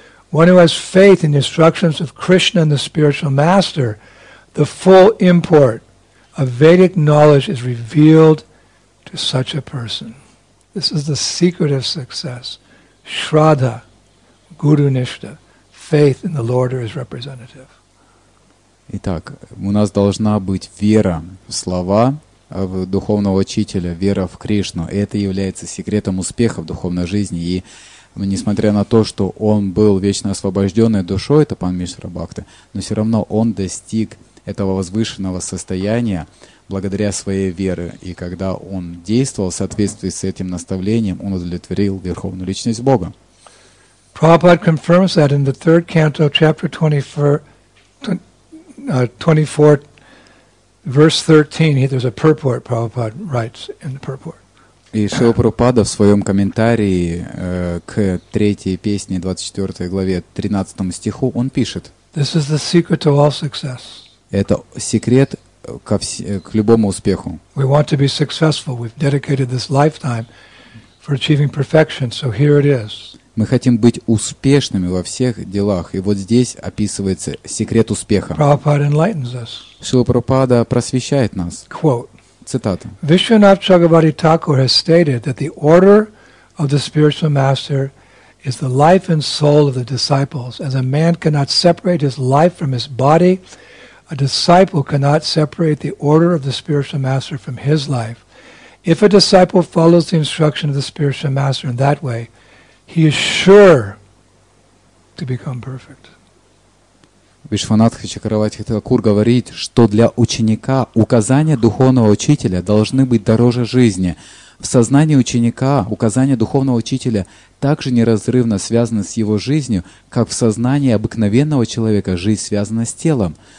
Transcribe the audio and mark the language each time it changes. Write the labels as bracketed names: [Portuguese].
[English] One who has faith in the instructions of Krishna and the spiritual master, the full import of Vedic knowledge is revealed to such a person. This is the secret of success. Shraddha, Guru Nishtha, faith in the Lord or His representative. [Russian] Итак, у нас должна быть вера в слова в духовного учителя, вера в Кришну. Это является секретом успеха в духовной жизни. И несмотря на то, что он был вечно освобожденной душой, это Пан Мишра Бхакта, но все равно он достиг этого возвышенного состояния благодаря своей вере, и когда он действовал в соответствии с этим наставлением, он удовлетворил Верховную Личность Бога. [English] Prabhupada confirms that in the third canto, chapter 24, verse 13, there's a purport, Prabhupada writes in the purport. [Russian] И Шрила Прабхупада в своем комментарии к третьей песне, 24 главе, 13 стиху, он пишет. [English] This is the secret to all success. [Russian] Это секрет к любому успеху. [English] We want to be successful. We've dedicated this lifetime for achieving perfection. So here it is. [Russian] Мы хотим быть успешными во всех делах. И вот здесь описывается секрет успеха. [English] Prabhupada enlightens us. [Russian] Шрила Прабхупада просвещает нас. [English] Quote. [Russian] Цитата. [English] Vishwanath Chakravarti Thakur has stated that the order of the spiritual master is the life and soul of the disciples. As a man cannot separate his life from his body, a disciple cannot separate the order of the spiritual master from his life. If a disciple follows the instruction of the spiritual master in that way, he is sure to become perfect. [Russian] Вишванатх Чакравати Такур говорит, что для ученика указания духовного учителя должны быть дороже жизни. В сознании ученика указания духовного учителя также неразрывно связаны с его жизнью, как в сознании обыкновенного человека жизнь связана с телом.